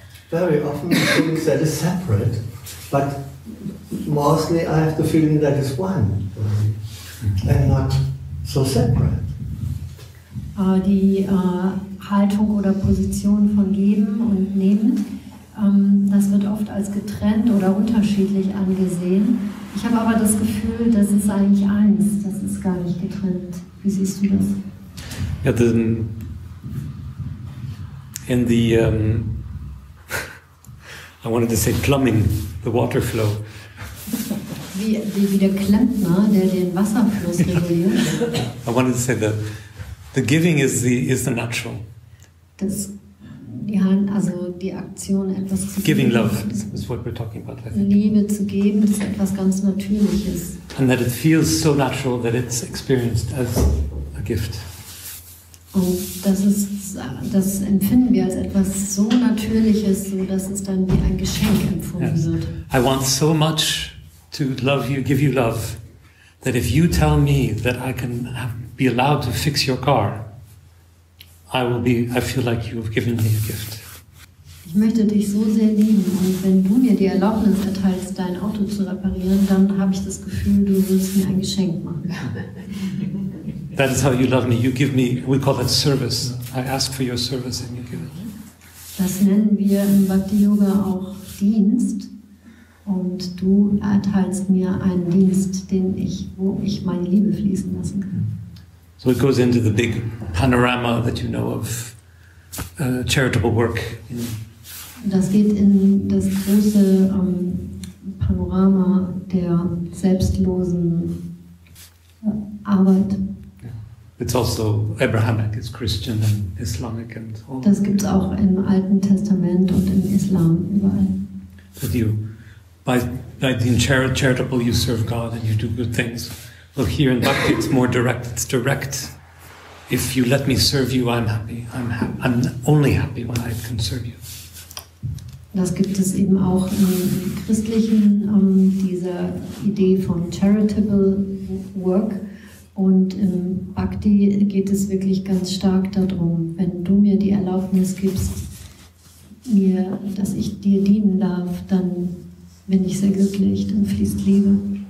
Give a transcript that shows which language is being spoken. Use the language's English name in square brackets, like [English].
[English] Very often the things that is separate, but mostly I have the feeling that it's one and not so separate. [German] Die Haltung oder Position von Geben und Nehmen, das wird oft als getrennt oder unterschiedlich angesehen. Ich habe aber das Gefühl, das ist eigentlich eins, das ist gar nicht getrennt. Wie siehst du das? [English] Ja, in the, I wanted to say plumbing, the water flow. [German] wie der Klempner, der den Wasserfluss reguliert. [English] I wanted to say that the giving is the natural. [German] Das, ja, also die Aktion, etwas zu geben. [English] Giving love is what we're talking about, I think. [German] Liebe zu geben ist etwas ganz Natürliches. [English] And that it feels so natural that it's experienced as a gift. [German] Und das empfinden wir als etwas so Natürliches, so dass es dann wie ein Geschenk empfunden yes. wird. [English] I want so much to love you, give you love, that if you tell me that I can be allowed to fix your car, I feel like you've given me a gift. [German] Ich möchte dich so sehr lieben, und wenn du mir die Erlaubnis erteilst, dein Auto zu reparieren, dann habe ich das Gefühl, du willst mir ein Geschenk machen. [English] That is how you love me. You give me, we call that service. I ask for your service and you give it. [German] Das nennen wir im Bhakti Yoga auch Dienst. Und du erteilst mir einen Dienst, wo ich meine Liebe fließen lassen kann. [English] So it goes into the big panorama that you know of charitable work. [German] Das geht in das große Panorama der selbstlosen Arbeit. [English] It's also Abrahamic, it's Christian and Islamic and all. [German] Das gibt's auch im Alten Testament und im Islam überall. [English] But you, by being charitable, you serve God and you do good things. Well, here in Bhakti, it's more direct. It's direct. If you let me serve you, I'm happy. I'm only happy when I can serve you. [German] Das gibt es eben auch im Christlichen, diese Idee von [English] charitable work. [German] Und im Bhakti geht es wirklich ganz stark darum, wenn du mir die Erlaubnis gibst, dass ich dir dienen darf, dann bin ich sehr glücklich, dann fließt Liebe.